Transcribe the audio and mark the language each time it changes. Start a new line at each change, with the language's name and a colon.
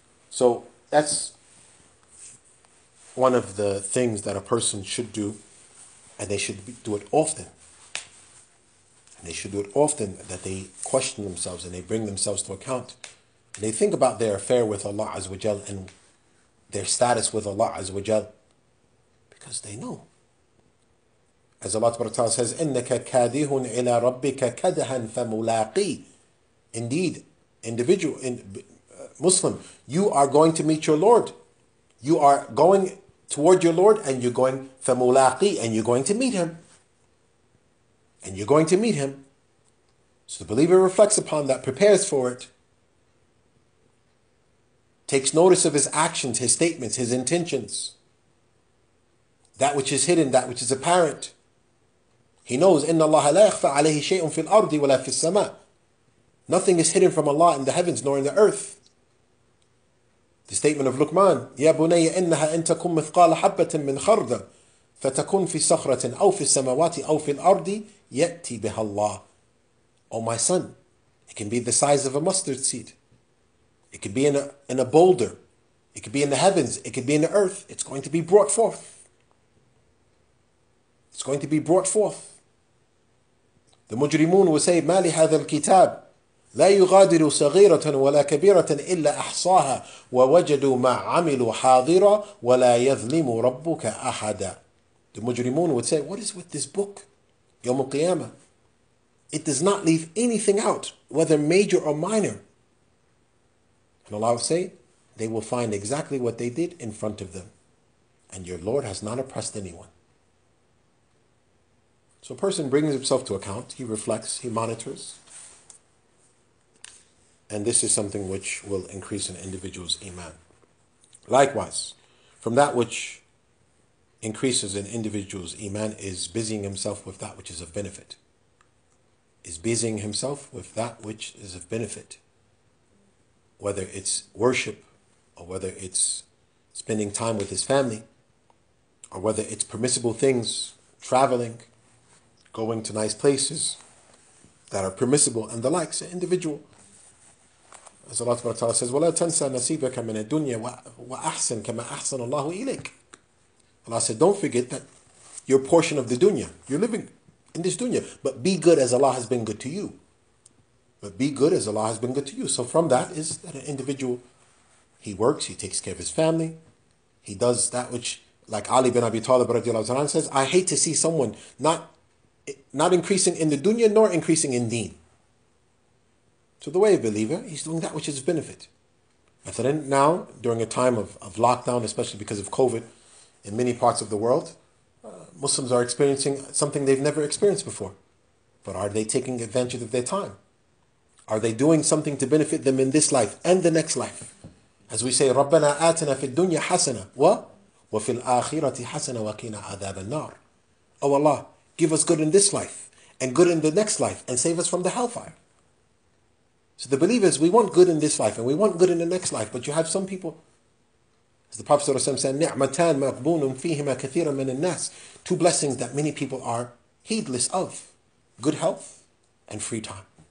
English: So that's one of the things that a person should do, and they should do it often. They should do it often, that they question themselves and they bring themselves to account. And they think about their affair with Allah Azza wa Jal and their status with Allah Azza wa Jal, because they know. As Allah Ta'ala says,
Arabic: إِنَّكَ كَادِهٌ إِلَىٰ رَبِّكَ كَدْهًا فَمُلَاقِي.
English: Indeed, individual, Muslim, you are going to meet your Lord. You are going toward your Lord and you're going فَمُلَاقِي, and you're going to meet Him. And you're going to meet Him. So the believer reflects upon that, prepares for it, takes notice of his actions, his statements, his intentions. That which is hidden, that which is apparent. He knows,
Arabic: إِنَّ اللَّهَ لَا يَخْفَ عَلَيْهِ شَيْءٌ فِي الْأَرْضِ وَلَا فِي السَّمَاءِ.
English: Nothing is hidden from Allah in the heavens nor in the earth. The statement of Luqman,
Arabic: يَا بُنَيَّ إِنَّهَا إِنْ تَكُمْ مِثْقَالَ حَبَّةٍ مِّنْ خَرْدَ فَتَكُنْ فِي صَخْرَةٍ أَوْ فِي السَّمَوَاتِ أَوْ فِي الْأَرْضِ يَأْتِي بِهَا اللَّهِ.
English: Oh my son, it can be the size of a mustard seed. It can be in a boulder. It could be in the heavens. It could be in the earth. It's going to be brought forth. It's going to be brought forth. The mujrimun will say,
Arabic: مَا لِهَذَا الْكِتَابِ لَا يُغَادِرُ صَغِيرَةً وَلَا كَبِيرَةً إِلَّا أَحْصَاهَا وَوَجَدُوا مَا عَمِلُوا حَاضِرًا وَلَا يَظْلِمُ رَبُّكَ أَحَدًا.
English: The mujrimun would say, what is with this book? Yawm al-Qiyamah. It does not leave anything out, whether major or minor. And Allah would say, they will find exactly what they did in front of them. And your Lord has not oppressed anyone. So a person brings himself to account, he reflects, he monitors. And this is something which will increase an individual's iman. Likewise, from that which increases an individual's iman is busying himself with that which is of benefit. Is busying himself with that which is of benefit. Whether it's worship, or whether it's spending time with his family, or whether it's permissible things, traveling, going to nice places that are permissible and the likes, an individual. As Allah Ta'ala says,
Arabic: وَلَا تَنْسَى نَسِيبَكَ مِنَ الدُّنْيَا وَأَحْسَنْ كَمَا أَحْسَنَ اللَّهُ إِلَيْكَ.
English: Allah said, don't forget that your portion of the dunya, you're living in this dunya, but be good as Allah has been good to you. But be good as Allah has been good to you. So from that is that an individual, he works, he takes care of his family, he does that which, like Ali bin Abi Talib radiallahu anhu says, I hate to see someone not increasing in the dunya nor increasing in deen. So the way of a believer, he's doing that which is of benefit. Mathalan, now, during a time of lockdown, especially because of COVID, in many parts of the world, Muslims are experiencing something they've never experienced before. But are they taking advantage of their time? Are they doing something to benefit them in this life and the next life? As we say,
Arabic: رَبَّنَا آتِنَا فِي الدُّنْيَا حَسَنَةً وَفِي الْآخِرَةِ حَسَنَةً وَقِينَا عَذَابَ النَّارِ.
English: Oh Allah, give us good in this life and good in the next life and save us from the hellfire. So the believers, we want good in this life and we want good in the next life, but you have some people, as the Prophet ﷺ said,
Arabic: نِعْمَتَانْ مَقْبُونٌ فِيهِمَا كَثِيرًا مِنَ النَّاسِ.
English: Two blessings that many people are heedless of. Good health and free time.